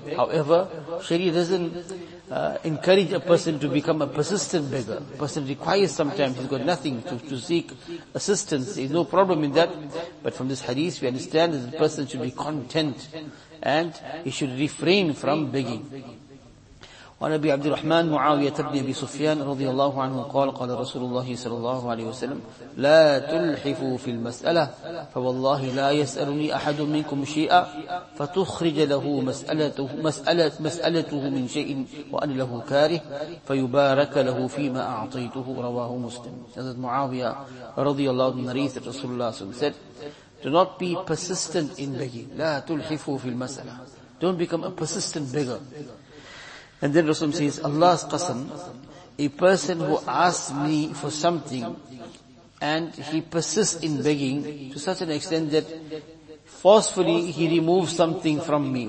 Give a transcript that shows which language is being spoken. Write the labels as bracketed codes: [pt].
[en] However, Sharia doesn't encourage a person to become a persistent beggar. A person requires sometimes, he's got nothing to seek assistance. There's no problem in that. But from this hadith, we understand that the person should be content and he should refrain from begging. [ar] وعن أبي عبد الرحمن معاوية بن أبي سفيان رضي الله عنه قال قال رسول الله صلى الله عليه وسلم لا تلحفوا في المسألة فوالله لا يسألني أحد منكم شيئا فتخرج له مسألته من شيء وأن له كاره فيبارك له فيما أعطيته رواه مسلم. حضرت معاوية رضي الله عنه نريث رسول الله صلى الله عليه وسلم [en] said, do not be persistent in begging. [ar] لا تلحفوا في المسألة. [en] Don't become a persistent beggar. And then Rasulullah says, Allah's qasam, a person who asks me for something and he persists in begging to such an extent that forcefully he removes something from me.